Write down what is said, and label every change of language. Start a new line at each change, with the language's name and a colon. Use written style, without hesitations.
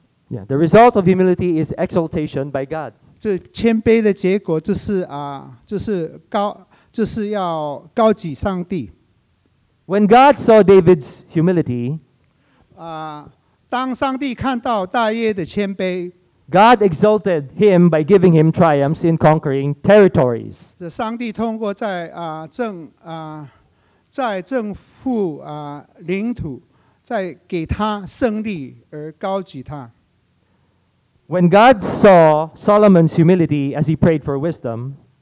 English: yeah, the result of humility is exaltation by God.
Chinese: 这谦卑的结果就是要高举上帝。
English: When God saw David's humility,
Chinese: 当上帝看到大卫的谦卑。
English: God exalted him by giving him triumphs in conquering territories.
Chinese: 上帝通过在征服领土，在给他胜利而高举他。
English: When God saw Solomon's humility as he prayed for wisdom,